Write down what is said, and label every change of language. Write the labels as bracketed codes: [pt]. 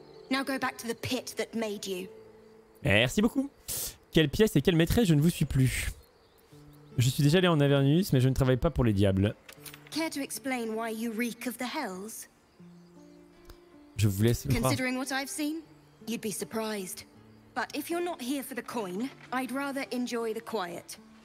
[en] Now go back to the pit that made you. [fr] Merci beaucoup. Quelle pièce et quelle maîtresse, je ne vous suis plus. Je suis déjà allé en Avernus, mais je ne travaille pas pour les diables. [en] Care to explain why you reek of the hells? [fr] Je vous laisse voir. [en] Considering what I've seen, you'd be surprised. But if you're not here for the coin, I'd rather enjoy the quiet.